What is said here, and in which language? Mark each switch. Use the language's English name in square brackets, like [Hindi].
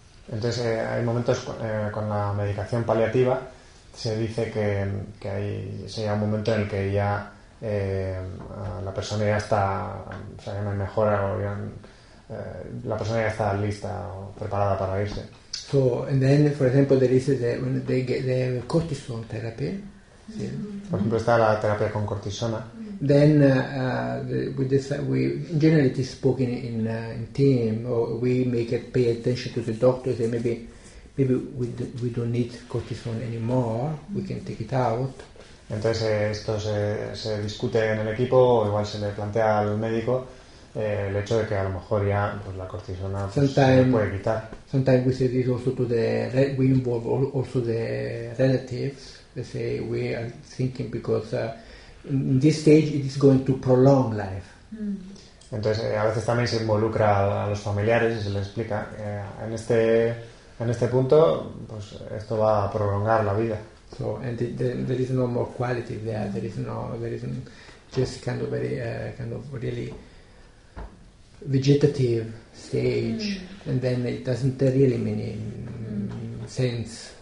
[Spanish] Entonces hay momentos con la medicación paliativa, se dice que hay sería un momento en el que ya la persona ya está, o sea, ya no hay mejora, o ya, la persona ya está lista o preparada para irse. [English] So, and then, for example, there is the, when they get the cortisone therapy. Mm-hmm. Yeah. [Spanish] Por ejemplo, está la terapia con cortisona. [English] Then we generally it is spoken in team, or we make it pay attention to the doctors and maybe we don't need cortisone anymore, we can take it out. [Spanish] Entonces esto se discute en el equipo, o igual se le plantea al médico el hecho de que a lo mejor ya pues la cortisona pues, [English] sometimes, [Spanish] se puede quitar. [English] Sometimes we say this also to the we involve also the relatives. They say we are thinking because in this stage it is going to prolong life. [Spanish] Entonces a veces también se involucra a los familiares y se les explica en este punto pues esto va a prolongar la vida. [English] So and there is no more quality there. There is just kind of very kind of really vegetative stage, and then it doesn't really mean sense.